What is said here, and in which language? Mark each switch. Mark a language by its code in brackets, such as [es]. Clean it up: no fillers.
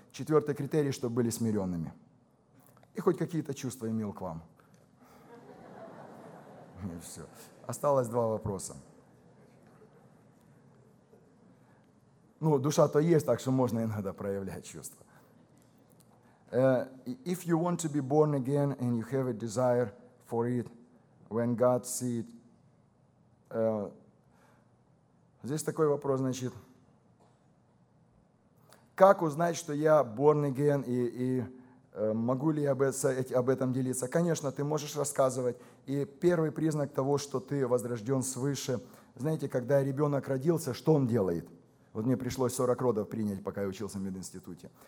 [ru] Четвертый критерий, чтобы были смиренными. И хоть какие-то чувства имел к вам. И все. Осталось два вопроса. Ну, душа-то есть, так что можно иногда проявлять чувства. [en] If you want to be born again and you have a desire for it, when God see it... [ru] Здесь такой вопрос, значит. Как узнать, что я [en] born again [ru] могу ли я об этом делиться? Конечно, ты можешь рассказывать. И первый признак того, что ты возрожден свыше. Знаете, когда ребенок родился, что он делает? Вот мне пришлось 40 родов принять, пока я учился в мединституте.